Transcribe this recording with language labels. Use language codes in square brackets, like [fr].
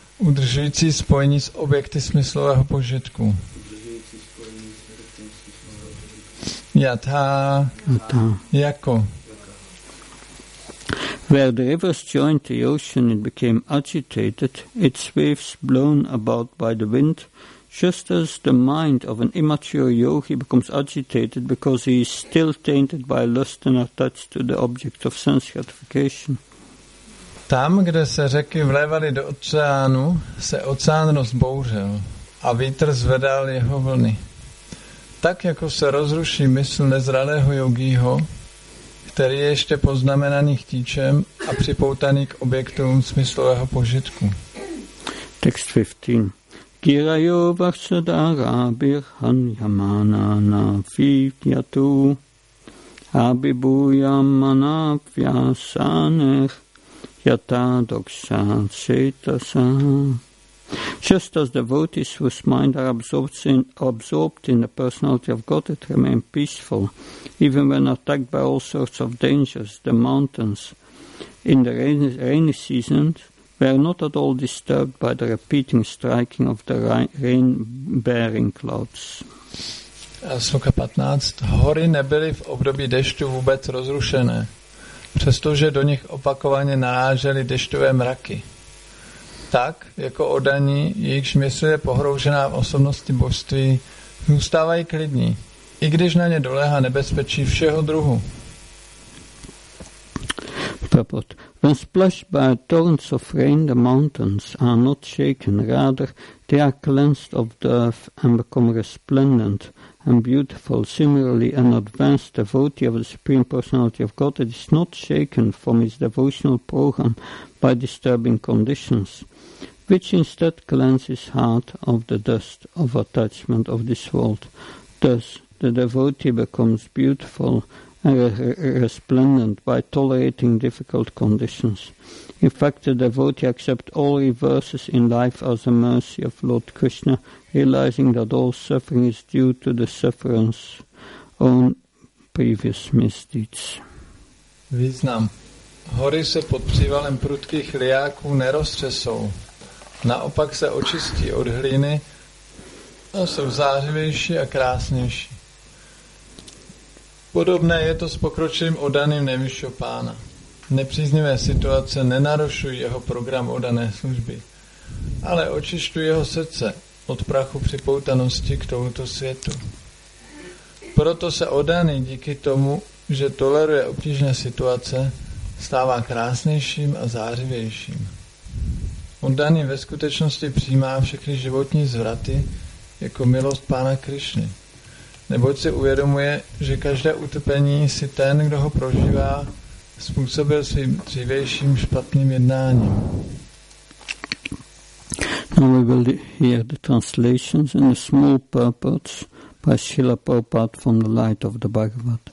[cs] Udržující spojení s objekty smyslového požitku Yatha [sa] Yatha [cs] Jako [en] Where the rivers joined the ocean, it became agitated, its waves blown about by the wind, just as the mind of an immature yogi becomes agitated because he is still tainted by lust and attached to the object of sense gratification. [cs] Tam, kde se řeky vlévaly do oceánu, se oceán rozbouřil a vítr zvedal jeho vlny. Tak, jako se rozruší mysl nezralého yogího, který je ještě poznamenaný chtíčem a připoutaný k objektům smyslového požitku. Text 15. Girayo vachsadara birhan yamana na fiyatu. Abibuyam manavya saner yata doksa setasa. [en] Just as devotees whose mind are absorbed in the personality of God, it remain peaceful, even when attacked by all sorts of dangers. The mountains in the rainy season were not at all disturbed by the repeating striking of the rain-bearing clouds. Sloka 15. [cs] Hory nebyly v období dešťu vůbec rozrušené, přestože do nich opakovaně narážely dešťové mraky. Tak, jako oddaní, jejichž mysl je pohroužená v osobnosti božství, zůstávají klidní, i když na ně doléhá nebezpečí všeho druhu. [en] Prabhupada. When splashed by torrents of rain, the mountains are not shaken, rather they are cleansed of the earth and become resplendent and beautiful. Similarly, an advanced devotee of the Supreme Personality of God is not shaken from his devotional program by disturbing conditions, which instead cleanses his heart of the dust of attachment of this world. Thus, the devotee becomes beautiful and resplendent by tolerating difficult conditions. In fact, the devotee accepts all reverses in life as a mercy of Lord Krishna, realizing that all suffering is due to the sufferer's own previous misdeeds. [cs] Význam. Hory se pod přívalem prudkých liáků neroztřesou. Naopak se očistí od hlíny a jsou zářivější a krásnější. Podobné je to s pokročilým oddaným nejvyššího pána. Nepříznivé situace nenarušují jeho program oddané služby, ale očišťují jeho srdce od prachu připoutanosti k tomuto světu. Proto se oddaný díky tomu, že toleruje obtížné situace, stává krásnějším a zářivějším. Oddaný ve skutečnosti přijímá všechny životní zvraty jako milost pána Krišny. Neboť si uvědomuje, že každé utrpení si ten, kdo ho prožívá, způsobil svým dřívějším špatným jednáním. [en] Now we will hear the translations in a small purport by Srila Prabhupada from the light of the Bhagavad.